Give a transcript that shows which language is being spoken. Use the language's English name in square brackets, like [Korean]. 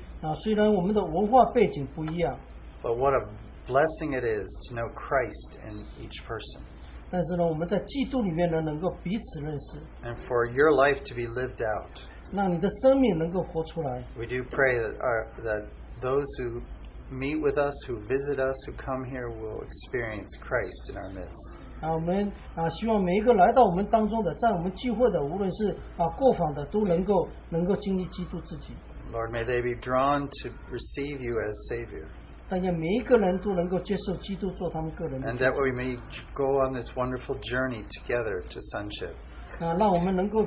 [English] But what a blessing it is to know Christ in each person. [Chinese] 但是呢, [English] and for your life to be lived out. We do pray that those who meet with us, who visit us, who come here will experience Christ in our midst. [Chinese] 我们希望每一个来到我们当中的，在我们聚会的，无论是过访的，都能够经历基督自己。 [English] Lord, may they be drawn to receive you as Savior. And that we may go on this wonderful journey together to sonship.